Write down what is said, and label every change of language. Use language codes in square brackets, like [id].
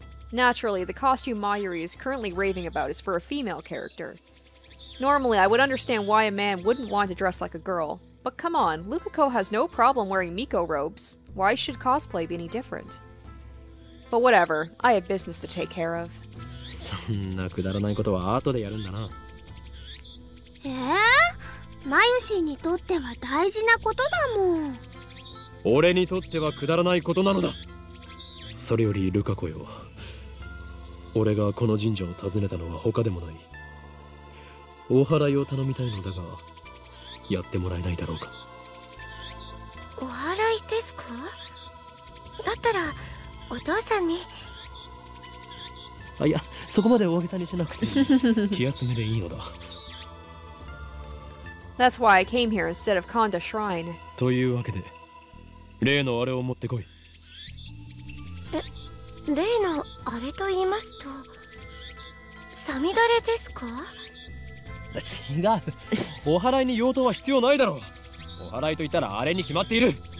[en] Naturally, the costume Mayuri is currently raving about is for a female character. Normally, I would understand why a man wouldn't want to dress like a girl. But come on, Lukako has no problem wearing Miko robes. Why should cosplay be any different? But whatever, I have business to take care of. [ja] そんなくだらないことは後でやるんだな。マユシーにとっては大事なことだもん。俺にとってはくだらないことなのだ。それよりルカ子よ。俺がこの神社を訪ねたのは他でもない。お祓いを頼みたいのだが、やってもらえないだろうか。お祓いですか？だったらお父さんに。あ、いや、そこまで大げさにしなくて、気休めでいいのだ。 [en] That's why I came here instead of Kanda Shrine. [ja] というわけで、例のあれを持ってこい。例のあれと言いますと、サミダレですか？違う。お祓いに用途は必要ないだろう。お祓いといったらあれに決まっている。